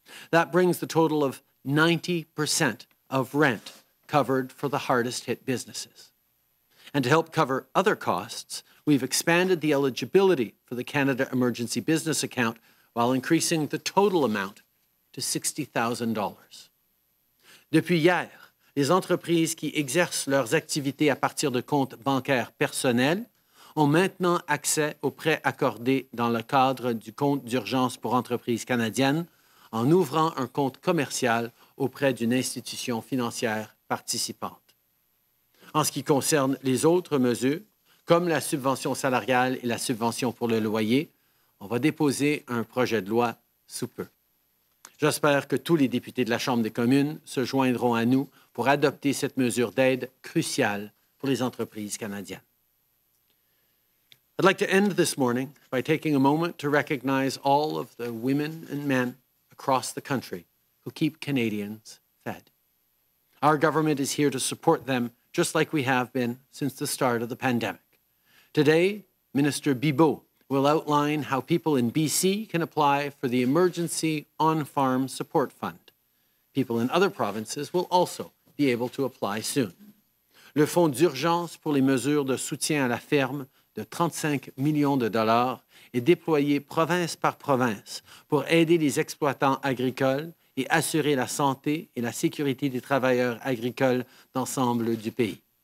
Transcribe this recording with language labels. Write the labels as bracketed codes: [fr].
[en] That brings the total of 90% of rent covered for the hardest hit businesses. And to help cover other costs, we've expanded the eligibility for the Canada Emergency Business Account while increasing the total amount to $60,000. [fr] Depuis hier, les entreprises qui exercent leurs activités à partir de comptes bancaires personnels ont maintenant accès aux prêts accordés dans le cadre du compte d'urgence pour entreprises canadiennes en ouvrant un compte commercial auprès d'une institution financière participante. En ce qui concerne les autres mesures, comme la subvention salariale et la subvention pour le loyer, on va déposer un projet de loi sous peu. J'espère que tous les députés de la Chambre des communes se joindront à nous pour adopter cette mesure d'aide cruciale pour les entreprises canadiennes. [en] I'd like to end this morning by taking a moment to recognize all of the women and men across the country who keep Canadians fed. Our government is here to support them just like we have been since the start of the pandemic. Today, Minister Bibeau will outline how people in BC can apply for the Emergency On-Farm Support Fund. People in other provinces will also be able to apply soon. [fr] Le Fonds d'urgence pour les mesures de soutien à la ferme de 35 millions de dollars est déployé province par province pour aider les exploitants agricoles et assurer la santé et la sécurité des travailleurs agricoles d'ensemble du pays.